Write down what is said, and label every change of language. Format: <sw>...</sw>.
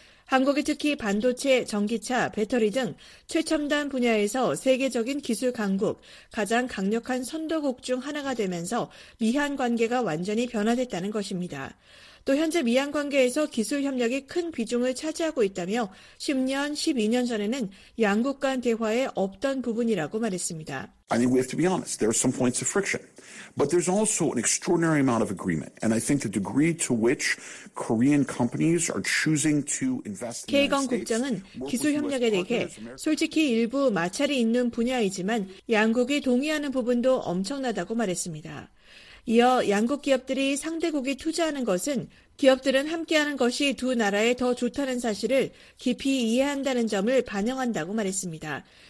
<ko>한국이 특히 반도체, 전기차, 배터리 등 최첨단 분야에서 세계적인 기술 강국, 가장 강력한 선도국 중 하나가 되면서 미한 관계가 완전히 변화됐다는 것입니다. 또 현재 미한 관계에서 기술 협력이 큰 비중을 차지하고 있다며 10년, 12년 전에는 양국 간 대화에 없던 부분이라고 말했습니다.</ko> <en>I mean, we have to be honest. There are some points of friction. But there's also an extraordinary amount of agreement. And I think the degree to which Korean companies are choosing to invest in the United States.</en> <ko>국장은 기술 협력에 대해 솔직히 일부 마찰이 있는 분야이지만 양국이 동의하는 부분도 엄청나다고 말했습니다. 이어 양국 기업들이 상대국이 투자하는 것은 기업들은 함께하는 것이 두 나라에 더 좋다는 사실을 깊이 이해한다는 점을 반영한다고 말했습니다.</ko>